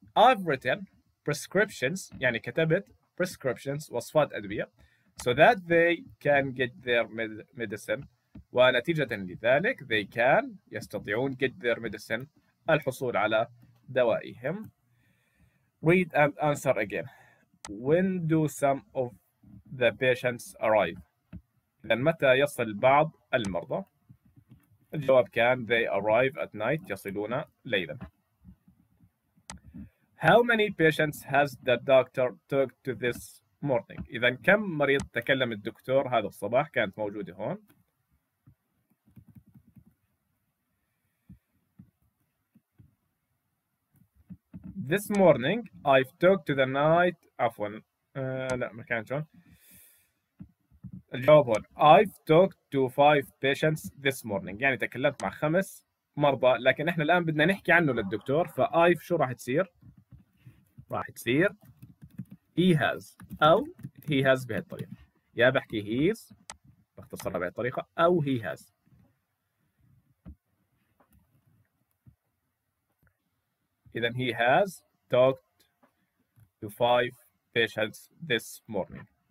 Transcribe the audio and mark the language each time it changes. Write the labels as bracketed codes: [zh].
[en] I've written prescriptions [ar] يعني كتبت [en] prescriptions [ar] وصفات أدوية [en] so that they can get their medicine [ar] ونتيجة لذلك [en] they can [ar] يستطيعون [en] get their medicine [ar] الحصول على دوائهم. [en] Read and answer again. When do some of the patients arrive? [ar] إذن متى يصل بعض المرضى؟ الجواب كان [en] they arrive at night [ar] يصلون ليلا. [en] How many patients has the doctor talked to this morning? [ar] إذن كم مريض تكلم الدكتور هذا الصباح كانت موجودة هون؟ [en] This morning I've talked to the night. [ar] عفوا لا ما كانت هون. الجواب هون [en] I've talked to five patients this morning [ar] يعني تكلمت مع خمس مرضى، لكن احنا الآن بدنا نحكي عنه للدكتور. فـ I've شو راح تصير؟ راح تصير he has أو he has بهذه الطريقة، يا بحكي he's باختصرها بهذه الطريقة أو he has. [en] إذن he has talked to five patients this morning.